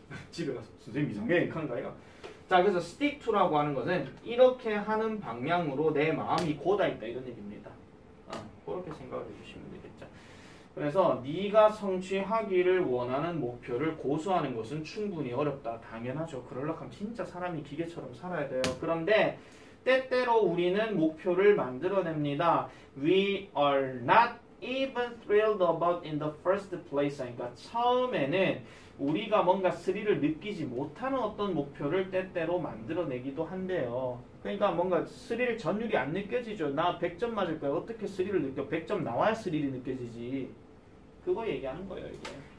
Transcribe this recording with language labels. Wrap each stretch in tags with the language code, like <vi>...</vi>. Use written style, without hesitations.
<ko>집에 가서 선생님 이상해 칸가이가. 자, 그래서 stick to라고 하는 것은 이렇게 하는 방향으로 내 마음이 고다 있다 이런 얘기입니다. 그렇게 생각을 해주시면 되겠죠. 그래서 네가 성취하기를 원하는 목표를 고수하는 것은 충분히 어렵다. 당연하죠. 그럴려면 진짜 사람이 기계처럼 살아야 돼요. 그런데 때때로 우리는 목표를 만들어냅니다.</ko> <en>We are not even thrilled about in the first place.</en> <ko>그러니까 처음에는 우리가 뭔가 스릴을 느끼지 못하는 어떤 목표를 때때로 만들어내기도 한대요. 그러니까 뭔가 스릴 전율이 안 느껴지죠. 나 100점 맞을 거야. 어떻게 스릴을 느껴? 100점 나와야 스릴이 느껴지지. 그거 얘기하는 거예요, 이게.</ko>